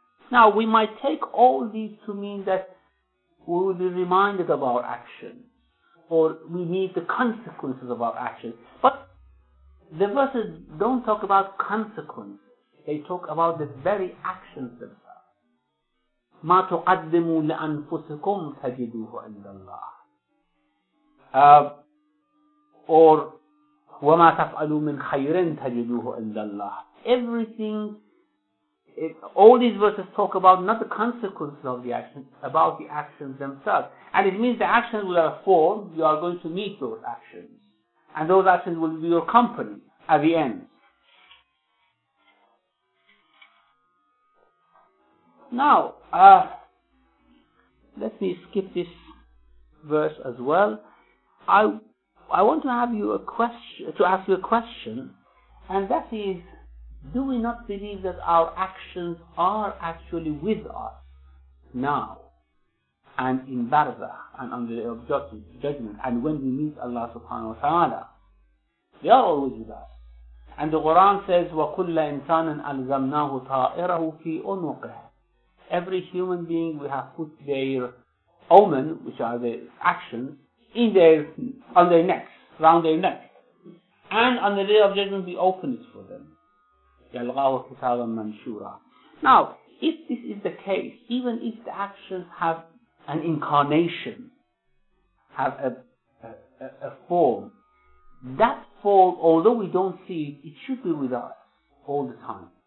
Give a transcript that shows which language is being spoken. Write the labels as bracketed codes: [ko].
[en] Now, we might take all these to mean that we will be reminded of our actions, or we need the consequences of our actions. But the verses don't talk about consequences. They talk about the very actions themselves. [ar] ما تقدموا لأنفسكم تجدوه عند الله. Or وما تفعلوا من خير تجدوه عند الله. [en] Everything, all these verses talk about not the consequences of the actions, about the actions themselves. And it means the actions will have a form, you are going to meet those actions. And those actions will be your company at the end. Now, let me skip this verse as well. I want to have you a question, to ask you a question, and that is, do we not believe that our actions are actually with us now and in Barzakh and on the day of judgment and when we meet Allah subhanahu wa ta'ala? They are always with us. And the Quran says, [ar] وَكُلَّ إِنسَانٍ أَلْزَمْنَاهُ طَائِرَهُ فِي أُنُقِهِ. [en] Every human being, we have put their omen, which are the actions, in their, on their necks, round their neck. And on the day of judgment, we open it for them. [ar] يَلْغَاهُ كِتَابًا مَنْشُورًا. [en] Now, if this is the case, even if the actions have an incarnation, have a form, that form, although we don't see it, it should be with us all the time.